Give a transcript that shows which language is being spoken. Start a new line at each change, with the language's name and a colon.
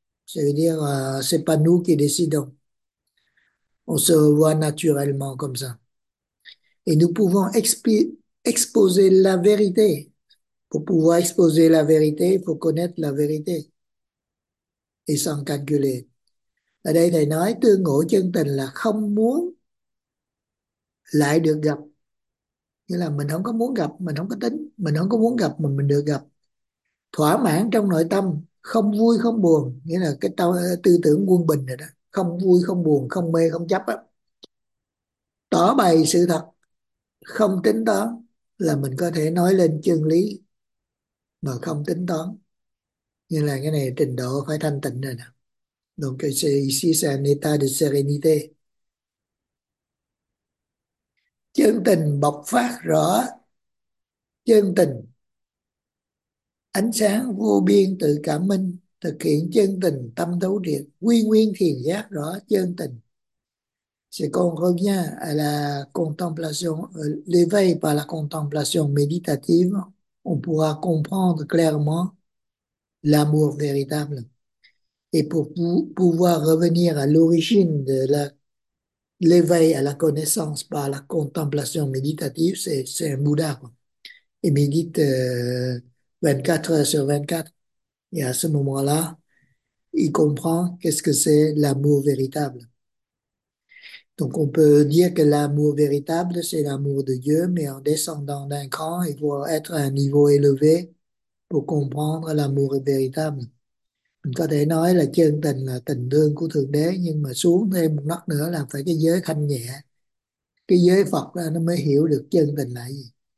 French: Ça veut dire, c'est pas nous qui décidons. On se voit naturellement comme ça. Et nous pouvons exposer la vérité. Pour pouvoir exposer la vérité, il faut connaître la vérité. Et sans calculer.
Vietnamese: Ở đây thầy nói tương ngộ chân tình là không muốn lại được gặp. Nghĩa là mình không có muốn gặp, mình không có tính, mình không có muốn gặp mà mình được gặp. Thỏa mãn trong nội tâm, không vui, không buồn. Nghĩa là cái tư tưởng quân bình rồi đó. Không vui, không buồn, không mê, không chấp á. Tỏ bày sự thật, không tính toán là mình có thể nói lên chân lý mà không tính toán. Nghĩa là cái này trình độ phải thanh tịnh rồi nè.
French: Donc, ici, c'est un état de sérénité.
Vietnamese: Chân tình bộc phát rõ, chân tình ánh sáng vô biên tự cảm minh, thực hiện chân tình tâm thấu triệt, quy nguyên thiền giác rõ chân tình.
French: C'est qu'on revient à la contemplation, l'éveil par la contemplation méditative, on pourra comprendre clairement l'amour véritable. Et pour pouvoir revenir à l'origine de l'éveil à la connaissance par la contemplation méditative, c'est un Bouddha, quoi. Il médite 24 heures sur 24. Et à ce moment-là, il comprend qu'est-ce que c'est l'amour véritable. Donc on peut dire que l'amour véritable, c'est l'amour de Dieu, mais en descendant d'un cran, il faut être à un niveau élevé pour comprendre l'amour véritable.
Vietnamese: Mình có thể nói là chân tình là tình thương của Thượng Đế, nhưng mà xuống thêm một nấc nữa là phải cái giới thanh nhẹ. Cái giới Phật đó, nó mới hiểu được chân tình là gì.